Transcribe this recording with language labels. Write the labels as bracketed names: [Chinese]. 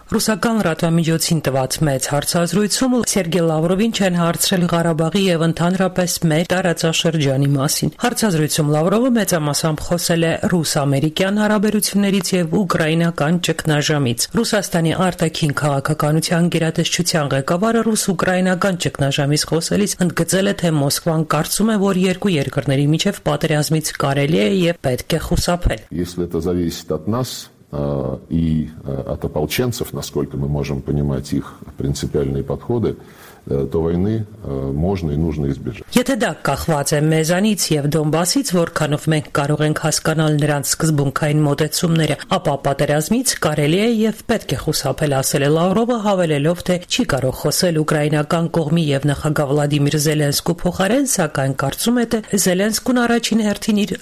[Armenian] ռուսական ռադիոմիջոցին տված մեծ հարցազրույցում Սերգեյ Լավրովին չեն հարցրել Ղարաբաղի և ընդհանրապես մեր տարածաշրջանի մասին։ Հարցազրույցում Լավրովը մեծամասամբ խոսել է ռուս-ամերիկյան հարաբերություններից և ուկրաինական ճգնաժամից։ Ռուսաստանի արտաքին քաղաքականության գերատեսչության ղեկավարը ռուս-ուկրաինական ճգնաժամից խոսելիս ընդգծել է, թե Մոսկվան կարծում է, որ երկու երկրների միջև պատերազմից կարելի է և պետք է խուսափել։ [Russian] Если это зависит от нас и от ополченцев, насколько мы можем понимать их принципиальные подходы, то войны можно и нужно избежать. [Armenian] Եթե դա կախված է մեզանից և Դոնբասից, որքանով մենք կարող ենք հասկանալ նրանց սկզբունքային մոտեցումները, ապա պատերազմից կարելի է և պետք է խուսափել, ասել է Լավրովը, հավելելով, թե չի կարող խոսել ուկրաինական կողմի և նախագահ Վլադիմիր Զելենսկու փոխարեն, սակայն կարծում է, թե Զելենսկուն առաջին հերթին իր